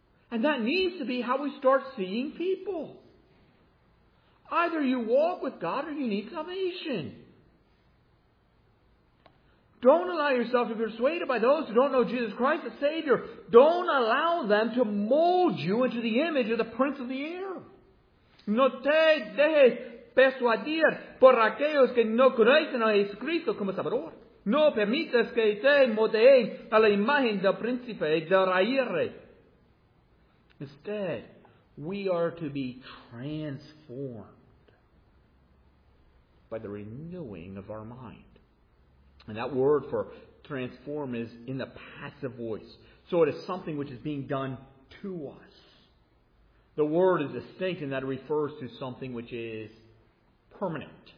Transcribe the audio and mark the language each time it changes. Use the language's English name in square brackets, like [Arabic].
[English] And that needs to be how we start seeing people. Either you walk with God or you need salvation. Don't allow yourself to be persuaded by those who don't know Jesus Christ as Savior. Don't allow them to mold you into the image of the prince of the air. [Spanish] No te dejes persuadir por aquellos que no conocen a Jesucristo como Salvador. No permitas que te moldeen a la imagen del príncipe del aire. [English] Instead, we are to be transformed by the renewing of our mind. And that word for transform is in the passive voice. So it is something which is being done to us. The word is distinct in that it refers to something which is permanent.